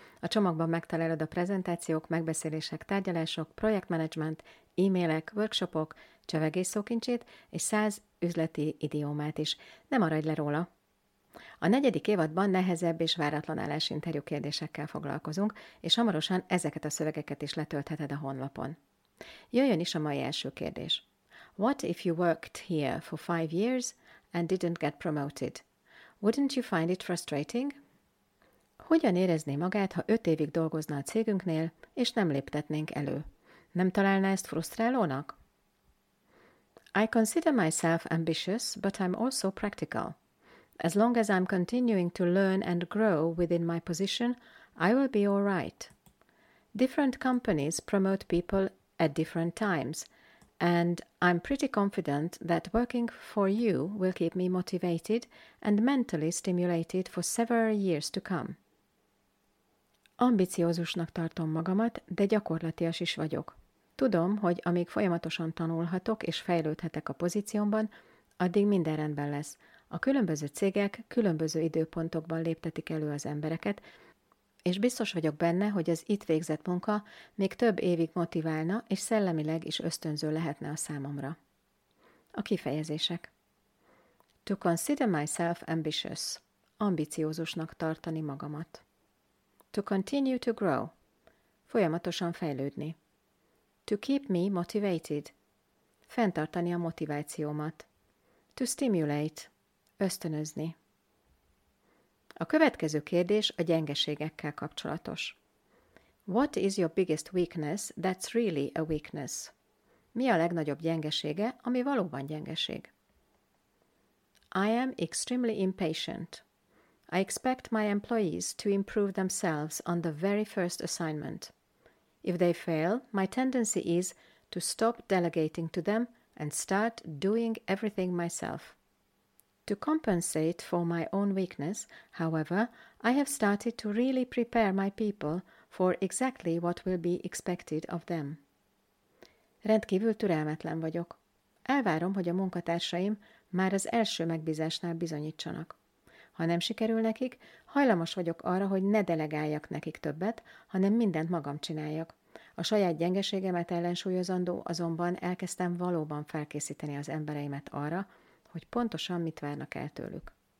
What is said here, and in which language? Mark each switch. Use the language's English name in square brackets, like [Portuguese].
[Hungarian] A csomagban megtalálod a prezentációk, megbeszélések, tárgyalások, projektmenedzsment, e-mailek, workshopok, csevegés szókincsét és 100 üzleti idiómát is. Ne maradj le róla! A 4. évadban nehezebb és váratlan állásinterjú kérdésekkel foglalkozunk, és hamarosan ezeket a szövegeket is letöltheted a honlapon. Jöjjön is a mai első kérdés. [English] What if you worked here for 5 years and didn't get promoted? Wouldn't you find it frustrating? [Hungarian] Hogyan érezné magát, ha 5 évig dolgozna a cégünknél, és nem léptetnénk elő? Nem találná ezt frusztrálónak? [English] I consider myself ambitious, but I'm also practical. As long as I'm continuing to learn and grow within my position, I will be all right. Different companies promote people at different times, and I'm pretty confident that working for you will keep me motivated and mentally stimulated for several years to come. [Hungarian] Ambiciózusnak tartom magamat, de gyakorlatias is vagyok. Tudom, hogy amíg folyamatosan tanulhatok és fejlődhetek a pozíciómban, addig minden rendben lesz. A különböző cégek különböző időpontokban léptetik elő az embereket, és biztos vagyok benne, hogy az itt végzett munka még több évig motiválna, és szellemileg is ösztönző lehetne a számomra. A kifejezések. [English] To consider myself ambitious. [Hungarian] Ambiciózusnak tartani magamat. [English] To continue to grow. [Hungarian] Folyamatosan fejlődni. [English] To keep me motivated. [Hungarian] Fenntartani a motivációmat. [English] To stimulate. [Hungarian] Ösztönözni. A következő kérdés a gyengeségekkel kapcsolatos. [English] What is your biggest weakness that's really a weakness? [Hungarian] Mi a legnagyobb gyengesége, ami valóban gyengeség? [English] I am extremely impatient. I expect my employees to improve themselves on the very first assignment. If they fail, my tendency is to stop delegating to them and start doing everything myself. To compensate for my own weakness, however, I have started to really prepare my people for exactly what will be expected of them. [Hungarian] Rendkívül türelmetlen vagyok. Elvárom, hogy a munkatársaim már az első megbízásnál bizonyítsanak. Ha nem sikerül nekik, hajlamos vagyok arra, hogy ne delegáljak nekik többet, hanem mindent magam csináljak. A saját gyengeségemet ellensúlyozandó azonban elkezdtem valóban felkészíteni az embereimet arra, hogy pontosan mit várnak el tőlük.